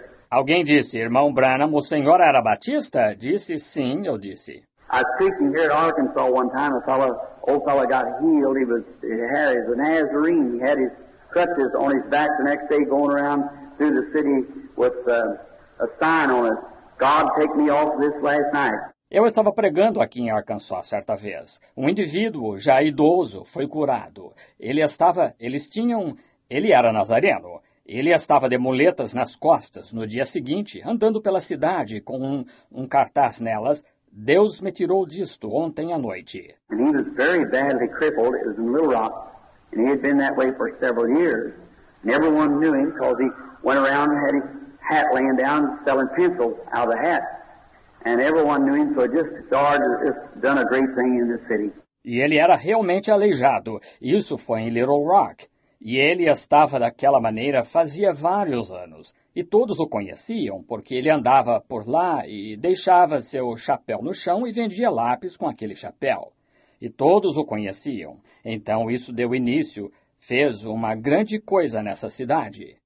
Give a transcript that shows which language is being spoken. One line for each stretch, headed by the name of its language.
Portuguese: Alguém disse, irmão Branham, o senhor era batista? Disse, sim, eu disse.
English: I was preaching here in Arkansas one time, an old fellow got healed. He had a Nazarene. He had his crutches on his back the next day going around through the city with a sign on it. God take me off this last night.
Portuguese: Eu estava pregando aqui em Arkansas certa vez. Um indivíduo, já idoso, foi curado. Ele era nazareno. Ele estava de muletas nas costas no dia seguinte, andando pela cidade com um cartaz nelas. Deus me tirou disto ontem à noite.
English: And he was very badly crippled. It was in Little Rock. And he had been that way for several years. And everyone knew him because he went around and had his hat laying down, selling pencils out of the hat. And everyone knew him, so just God has done a great thing in this city.
Portuguese: E ele era realmente aleijado. Isso foi em Little Rock. E ele estava daquela maneira fazia vários anos. E todos o conheciam, porque ele andava por lá e deixava seu chapéu no chão e vendia lápis com aquele chapéu. E todos o conheciam. Então isso deu início, fez uma grande coisa nessa cidade.